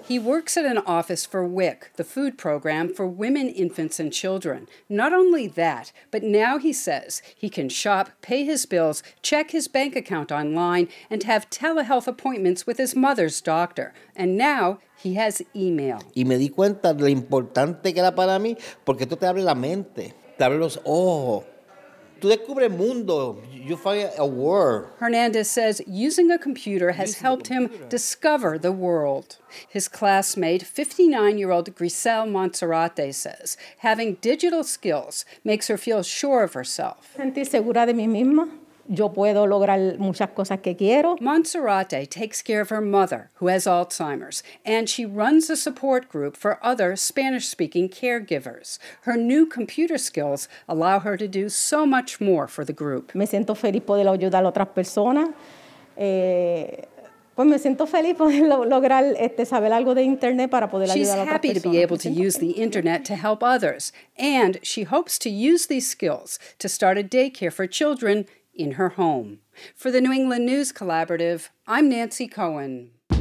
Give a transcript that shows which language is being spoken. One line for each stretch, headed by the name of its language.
English: He works at an office for WIC, the food program for women, infants, and children. Not only that, but now he says he can shop, pay his bills, check his bank account online, and have telehealth appointments with his mother's doctor. And now he has email.
Spanish: Y me di cuenta de lo importante que era para mí, porque esto te abre la mente, te abre los ojos.
English: You find a world. Hernandez says using a computer has helped him discover the world. His classmate, 59-year-old Grisel Monserrate, says having digital skills makes her feel sure of herself.
Spanish: Sentí segura de mí misma. Yo puedo lograr muchas cosas que quiero.
English: Monserrate takes care of her mother, who has Alzheimer's, and she runs a support group for other Spanish-speaking caregivers. Her new computer skills allow her to do so much more for the group.
Spanish: Me siento feliz poder ayudar a otras personas. Pues me siento feliz poder lograr saber algo de internet para poder ayudar a otras personas.
English: She's happy to be able to use the internet to help others, and she hopes to use these skills to start a daycare for children in her home. For the New England News Collaborative, I'm Nancy Cohen.